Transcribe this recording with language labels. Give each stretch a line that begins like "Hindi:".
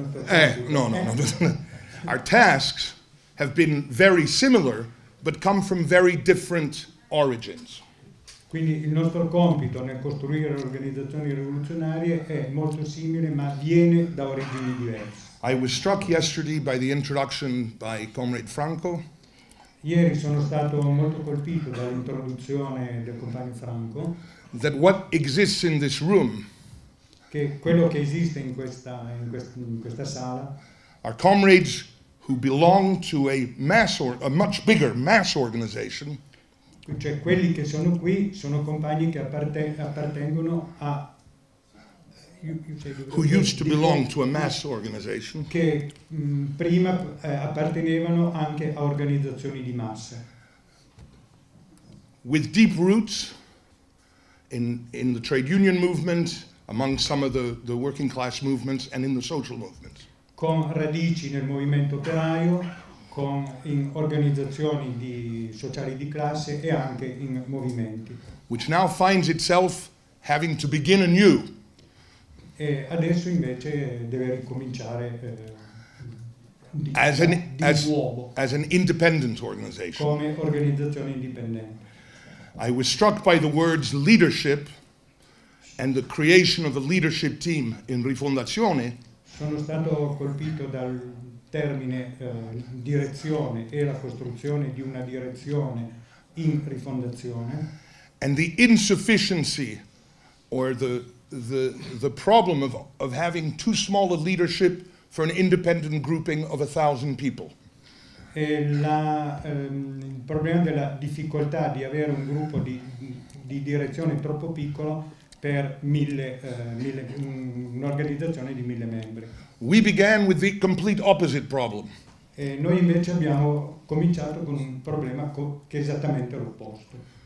English: Our tasks have been very similar, but come from very different origins.
Italian: Quindi il nostro compito nel costruire organizzazioni rivoluzionarie è molto simile, ma viene da origini diverse.
English: I was struck yesterday by the introduction by Comrade Franco.
Italian: Ieri sono stato molto colpito dall'introduzione del compagno Franco.
English: That what exists in this room.
Italian: Che quello che esiste in questa sala.
English: Our comrades who belong to a mass or a much bigger mass organization.
Italian: Cioè quelli che sono qui sono compagni che appartengono a.
English: Who used to belong to a mass organization.
Italian: Che prima appartenevano anche a organizzazioni di massa.
English: With deep roots in the trade union movement. Among some of the working class movements and in the social movements.
Italian: Con radici nel movimento operaio, in organizzazioni di sociali di classe e anche in movimenti.
English: Which now finds itself having to begin anew.
Italian: E adesso invece deve ricominciare nuovo.
English: As an independent organization.
Italian: Come organizzazione indipendente.
English: I was struck by the words leadership. And the creation of a leadership team in Rifondazione.
Italian: Sono stato colpito dal termine direzione e la costruzione di una direzione in Rifondazione.
English: And the insufficiency or the problem of having too small a leadership for an independent grouping of 1,000 people.
Italian: E il problema della difficoltà di avere un gruppo di direzione troppo piccolo. Per un'organizzazione di 1,000 membri.
English: We began with the complete opposite problem.
Italian: E noi invece abbiamo cominciato con un problema che è esattamente l'opposto.